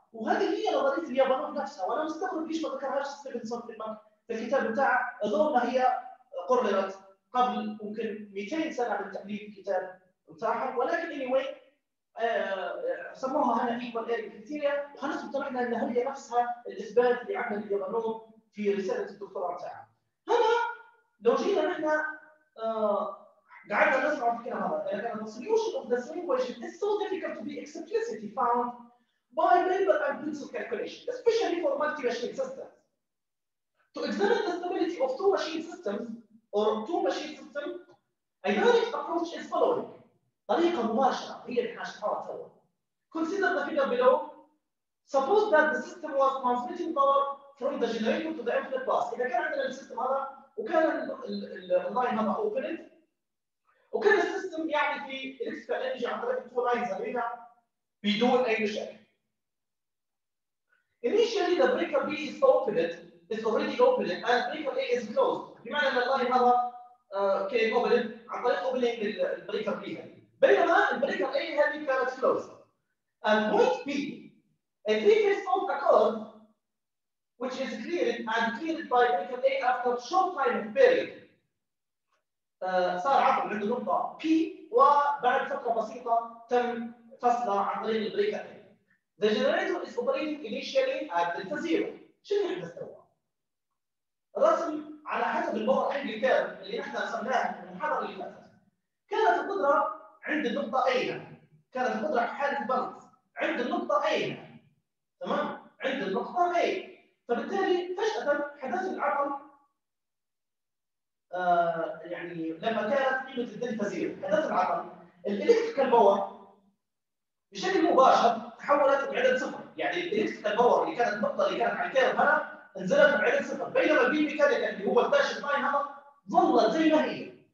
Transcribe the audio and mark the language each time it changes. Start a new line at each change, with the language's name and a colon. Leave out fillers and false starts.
Arabic: وهذه هي نظريه اليابانوف نفسها، وانا مستغرب ليش ما ذكرهاش ستيفنسون في الكتاب بتاع اظن هي قررت قبل ممكن 200 سنه من تاليف الكتاب بتاعها، ولكن اني واي سموها هنا ايكوال اير كريتيريا، وحنثبت احنا ان هي نفسها الاثبات اللي عمل اليابانوف في رساله الدكتوراه بتاعها. هنا لو جينا نحن قاعد نسمع فيكنا هذا لأن
English: the solution of the swing equation is so difficult to be explicitly found by member and principal calculation, especially for multi-machine systems. To examine the stability of two-machine systems or two-machine system, a unique approach is following.
Arabic: طريقة مباشرة هي اللي حنشرحها سوا.
English: Consider the figure below. Suppose that the system was transmitting power from the generator to the infinite bus.
Arabic: إذا كان عندنا السيستم هذا وكان اللاين هذا
English: opened
Arabic: وكان السيستم يعني في الاكسترا انرجي عن طريق التو لاينز هذينا بدون اي مشاكل.
English: Initially the breaker B is opened, it's already opened and breaker A is closed.
Arabic: بمعنى ان اللاين هذا كان
English: opened
Arabic: عن طريق opening البريكر B هذه. بينما البريكر A هذه كانت closed.
English: And point B, a three-phase fault occurred, which is cleared and cleared by breaker A after a short time of failure.
Arabic: صار عفوا عنده نقطة P وبعد فترة بسيطة تم فصلها عن طريق البريكر A.
English: The generator is operating initially at delta zero.
Arabic: شنو اللي بنستوى؟ الرسم على حسب الباور انجل كيرف اللي احنا رسمناه في المحاضرة اللي فاتت. كانت القدرة عند النقطة A كانت القدرة حالة البالانس عند النقطة A تمام؟ عند النقطة A فبالتالي فجأة حدث العطل يعني لما كانت قيمة الدلتا زيرو حدث العطل الإلكتريكال باور بشكل مباشر تحولت بعدد صفر يعني الإلكتريكال باور اللي كانت النقطة اللي كانت على الكيرف هنا انزلت بعدد صفر بينما البي ميكانيكال اللي هو الداش لاين هذا ظلت زي ما هي